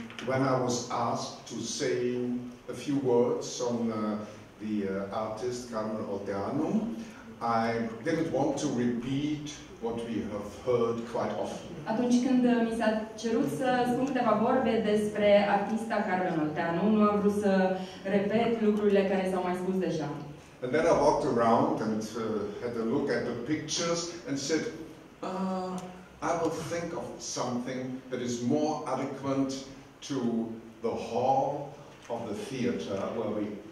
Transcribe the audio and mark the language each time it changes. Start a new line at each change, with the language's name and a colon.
English: When I was asked to say a few words on the artist Carmen Odeanu, I didn't want to repeat what we have heard quite often.
Romanian: Atunci când mi s-a cerut să spun câteva vorbe despre artista Carmen Odeanu, nu am vrut să repet lucrurile care s-au mai spus deja.
English: And then I walked around and had a look at the pictures and said, I will think of something that is more adequate to the hall of the theater where we